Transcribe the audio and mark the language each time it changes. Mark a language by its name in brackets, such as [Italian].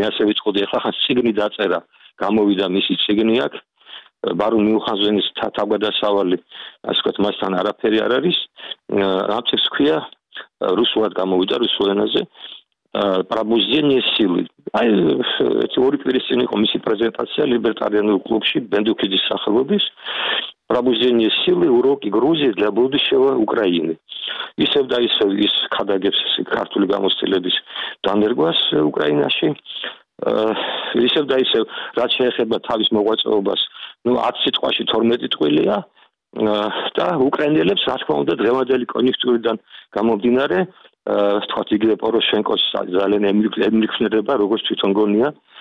[Georgian] მე ასე ვიწყოდი, ახლა ხან სიგნი დაწერა, გამოვიდა მისი სიგნი აქ ბარონ მიუხაზენის თავგადასავალი, ასე ვთქვათ, მასთან არაფერი არ არის. რაცეს ქვია, რუსულად გამოვიდა, რუსულ ენაზე, პრაბუზენიე სილი. აი ეს ორი პირისინი იყო მისი პრეზენტაცია ლიბერტარიანულ კლუბში ბენდუქიძის სახელობის. [Russian] Пробуждение силы, уроки Грузии для будущего Украины. [Georgian] Исев да исев из кадагებს ქართული გამოცდილების დანერგვას უკრაინაში. Исев да исев, რაც შეეხება თავის მოღვაწეობას, ну 10 სიტყვაში 12 წვილია და უკრაინელებს, რა თქმა უნდა, დღევანდელი კონექტურიდან გამომდინარე, თქვათ იგივე პოროშენკოს ძალიან ემიქნება, როგორც თვითონ გონია.